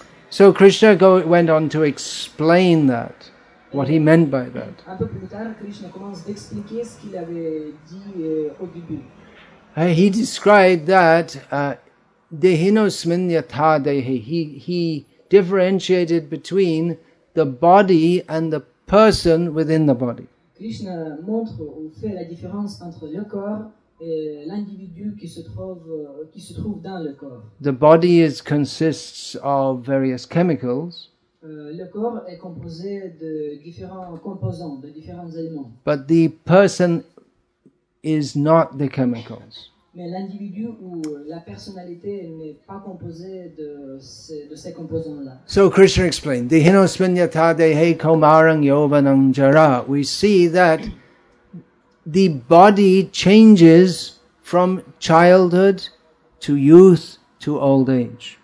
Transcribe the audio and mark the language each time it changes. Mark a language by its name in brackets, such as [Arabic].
[English] So Krishna went on to explain that, what he meant by that. He described that [Sanskrit] dehinosmin yatha dehi. [English] He differentiated between the body and the person within the body. [French] Krishna montre ou fait la différence entre le corps et l'individu qui se trouve dans le corps. [English] The body consists of various chemicals. [French] Le corps est composé de différents composants, de différents éléments. [English] But the person is not the chemicals. [French] Mais l'individu ou la personnalité n'est pas composée de ces composants-là. [English] So Krishna explained, [Sanskrit] dehinosmin yatha dehe komarang yovanam jara. [English] We see that the body changes from childhood to youth to old age.